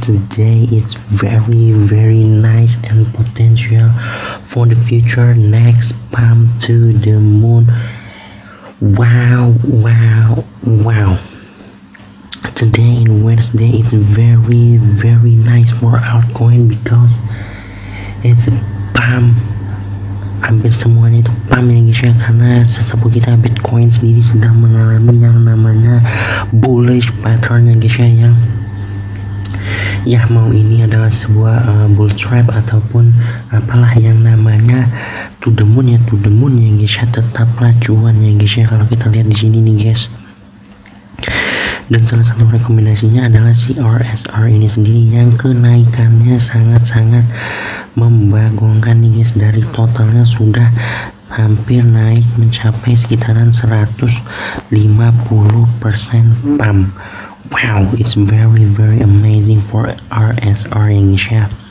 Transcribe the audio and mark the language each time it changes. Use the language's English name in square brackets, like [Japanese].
[English] Today it's very very nice and potential for the future. Next pump to the moon. Wow. Today in Wednesday it's very very nice for altcoin because it's a pump. [Indonesian] Hampir semuanya itu pump ya guys ya, karena sesepuh kita Bitcoin sendiri sedang mengalami yang namanya bullish pattern ya guys ya, yang ya mau ini adalah sebuah bull trap ataupun apalah yang namanya [English] to the moon [Indonesian] ya guys ya, tetaplah cuan ya guys ya. Kalau kita lihat di sini nih guys, dan salah satu rekomendasinya adalah si RSR ini sendiri yang kenaikannya sangat-sangat membanggakan nih guys, dari totalnya sudah hampir naik mencapai sekitaran 150% pump. [English] Wow, it's very very amazing for RSR [Indonesian] ya guys ya.